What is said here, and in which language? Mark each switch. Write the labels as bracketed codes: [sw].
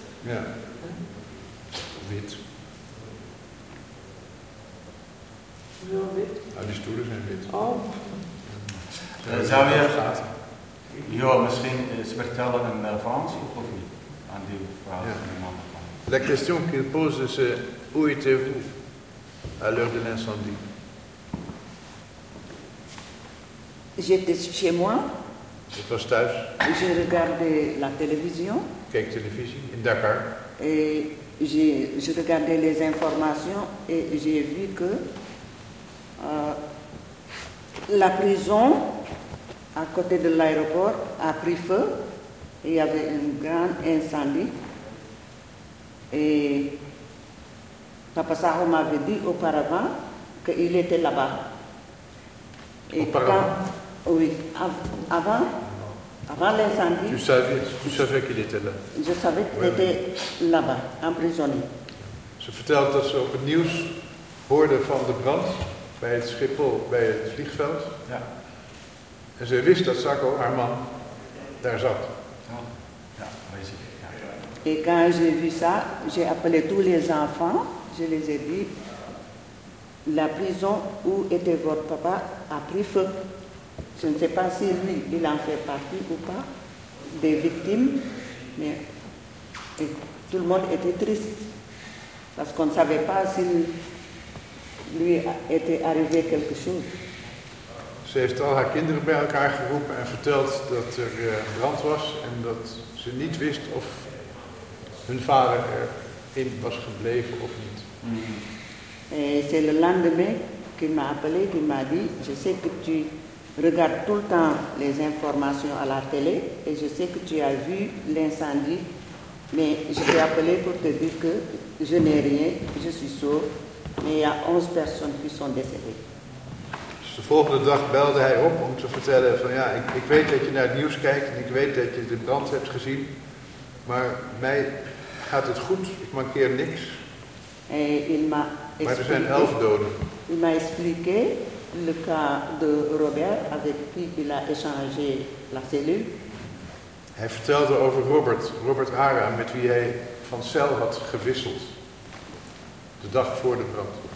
[nl] Ja. Wit. Wel wit. Nou, die stoelen zijn wit. Oh. Ja. Zou je... Ja, misschien ze vertellen in Frans of niet? Aan die vrouw ja. Die man. [fr] La question qu'il pose, c'est où étiez-vous à l'heure de l'incendie? J'étais chez moi. [nl] Je was thuis. [fr] J'ai regardé la télévision. [nl] Kijk televisie, in Dakar. [fr] Et j'ai regardé les informations et j'ai vu que... la prison à côté de l'aéroport a pris feu. Il y avait un grand incendie. Et Papa Saho m'avait dit auparavant qu'il était là-bas. Et quand, oui, avant l'incendie. Tu savais qu'il était là. Je savais qu'il était là-bas, emprisonné. [nl] Je vertelde dat ze op het nieuws hoorden van de brand. Bij het Schiphol, bij het vliegveld. Ja. En ze wist dat Sacco, haar man, daar zat. Ja, weet je. [fr] En quand j'ai vu ça, j'ai appelé tous les enfants, je les ai dit, la prison où était votre papa a pris feu. Je ne sais pas si lui, il en fait partie ou pas, des victimes, mais tout le monde était triste. Parce qu'on ne savait pas si lui était arrivé quelque chose. [nl] Ze heeft al haar kinderen bij elkaar geroepen en verteld dat er brand was en dat ze niet wist of hun vader erin was gebleven of niet. [fr] En c'est le lendemain qui m'a appelé, qui m'a dit, je sais que tu regardes tout le temps les informations à la télé et je sais que tu as vu l'incendie, mais je t'ai appelé pour te dire que je n'ai rien, je suis sauf. Mais il y a 11 personnes qui sont décédées. [nl] De volgende dag belde hij op om te vertellen van ja, ik weet dat je naar het nieuws kijkt en ik weet dat je de brand hebt gezien, maar mij gaat het goed, ik mankeer niks. Maar er zijn 11 doden. [fr] Il m'a expliqué le cas de Robert avec qui il a échangé la cellule. [nl] Hij vertelde over Robert Hara, met wie hij van cel had gewisseld de dag voor de brand.